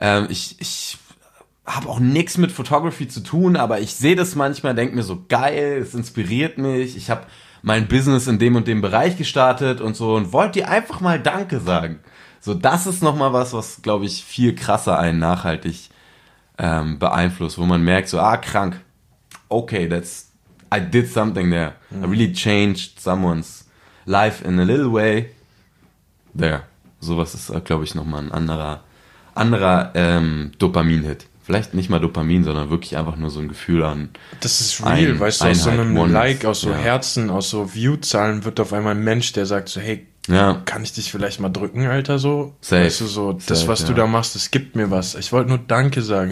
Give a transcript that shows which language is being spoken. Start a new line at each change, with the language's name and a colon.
German: Ich habe auch nichts mit Photography zu tun, aber ich sehe das manchmal, denke mir so, geil, es inspiriert mich, ich habe mein Business in dem und dem Bereich gestartet und so und wollte dir einfach mal Danke sagen. So, das ist nochmal was glaube ich, viel krasser einen nachhaltig beeinflusst, wo man merkt so, ah, krank, okay,
English: I did something there. I really changed someone's life in a little way. There.
German: Sowas ist, glaube ich, nochmal ein anderer Dopamin-Hit. Vielleicht nicht mal Dopamin, sondern wirklich einfach nur so ein Gefühl an. Das ist real, weißt du, aus so einem Like, aus so ja. Herzen, aus so View-Zahlen wird auf einmal ein Mensch, der sagt so, hey, ja. kann ich dich vielleicht mal drücken, Alter, so? Safe. Weißt du, so, das, Safe, was ja. du da machst, das gibt mir was. Ich wollte nur Danke sagen.